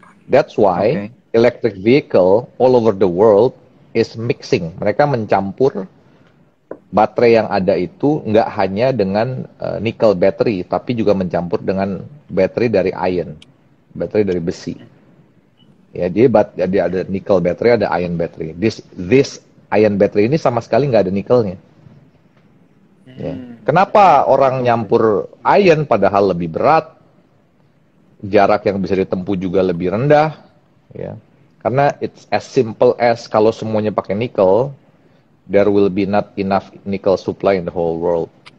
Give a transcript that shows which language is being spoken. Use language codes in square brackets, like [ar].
[en] That's why electric vehicle all over the world is mixing. [id] Mereka mencampur baterai yang ada itu nggak hanya dengan nickel battery, tapi juga mencampur dengan battery dari iron, battery dari besi. Ya, jadi ada nickel battery, ada iron battery. This iron battery ini sama sekali nggak ada nickelnya. Ya. Kenapa orang nyampur iron padahal lebih berat, jarak yang bisa ditempuh juga lebih rendah, ya. [en] Karena it's as simple as [id] kalau semuanya pakai nickel, [en] there will be not enough nickel supply in the whole world.